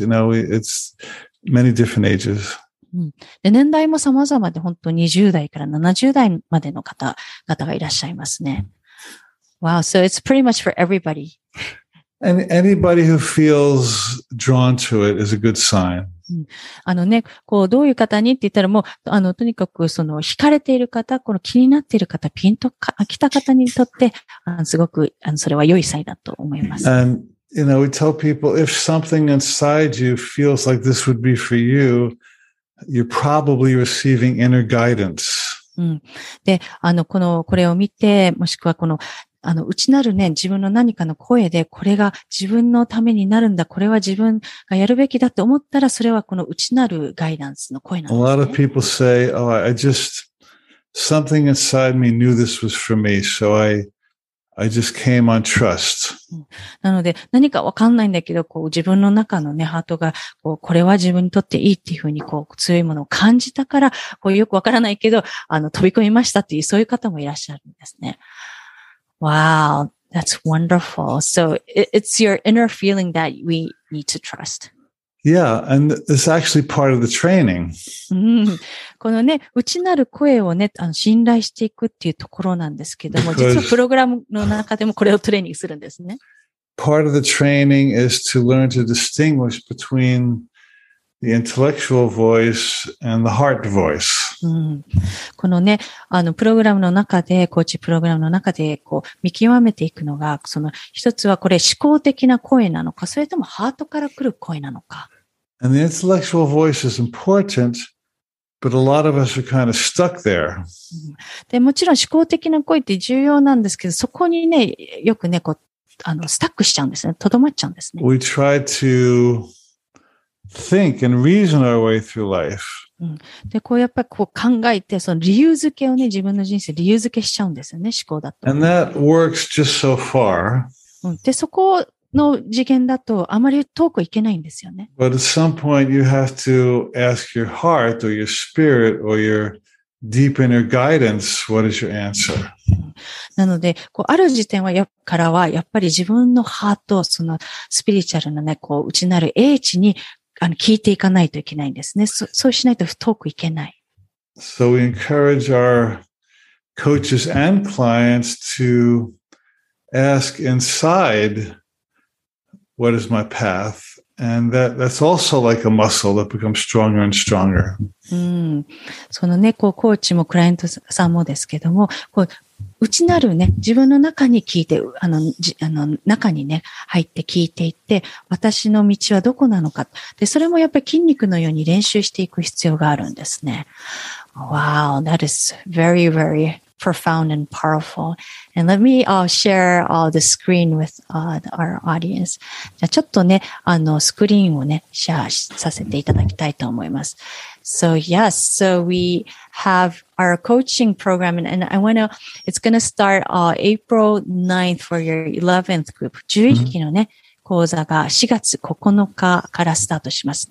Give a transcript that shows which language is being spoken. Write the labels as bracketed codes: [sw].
[en] You know, it's many different ages. [ja] うん、で年代も様々で、本当20代から70代までの方々がいらっしゃいますね。 [en] Wow, so it's pretty much for everybody. And anybody who feels drawn to it is a good sign.、 [ja] うん、ね、こう、どういう方にって言ったら、もう、とにかく、その、惹かれている方、この気になっている方、ピンと来た方にとって、すごく、それは良いサインだと思います。 [en] And, you know, we tell people, if something inside you feels like this would be for you,You're probably receiving inner guidance. [ja] うん。で、これを見て、もしくはこの、内なるね、自分の何かの声で、これが自分のためになるんだ、これは自分がやるべきだって思ったら、それはこの内なるガイダンスの声なんですね。 [en] A lot of people say, oh, I just, something inside me knew this was for me, so I just came on trust. [ja] なので、何かわかんないんだけど、こう、自分の中のね、ハートが、こう、これは自分にとっていいっていうふうに、こう、強いものを感じたから、こう、よくわからないけど、飛び込みましたっていう、そういう方もいらっしゃるんですね。 [en] Wow, that's wonderful. So, it's your inner feeling that we need to trust. Yeah, and it's actually part of the training. [ja] このね、内なる声をね、信頼していくっていうところなんですけども、実はプログラムの中でもこれをトレーニングするんですね。 [en] Part of the training is to learn to distinguish between the intellectual voice and the heart voice. [ja] このね、プログラムの中で、コーチプログラムの中で、こう、見極めていくのが、その、一つはこれ、思考的な声なのか、それともハートから来る声なのか。 [en] And the intellectual voice is important, but a lot of us are kind of stuck there. [ja] で、もちろん思考的な声って重要なんですけど、そこにね、よくね、こう、スタックしちゃうんですね。とどまっちゃうんですね。 [en] We try to think and reason our way through life. [ja] で、こうやっぱりこう考えて、その理由付けをね、自分の人生理由付けしちゃうんですよね、思考だと。 [en] And that works just so far.、 [ja] で、そこの次元だと、あまり遠くいけないんですよね。 [en] But at some point you have to ask your heart or your spirit or your deep inner guidance, what is your answer?、 [ja] なので、こう、ある時点はからは、やっぱり自分のハート、そのスピリチュアルなね、こう、内なる英知に、聞いていかないといけないんですね。そうしないと遠くいけない。 [en] So we encourage our coaches and clients to ask inside, what is my path? And that's also like a muscle that becomes stronger and stronger. [ja] そのね、こう、コーチもクライアントさんもですけども、こう、内なるね、自分の中に聞いて、中にね、入って聞いていって、私の道はどこなのか。で、それもやっぱり筋肉のように練習していく必要があるんですね。 [en] Wow, that is very, very profound and powerful. And let me share the screen with our audience. [ja] じゃあちょっとね、スクリーンをね、シェアさせていただきたいと思います。 [en] So yes, so we have our coaching program and I want to, it's going to start April 9th for your 11th group. [ja] 11期のね、講座が4月9日からスタートします。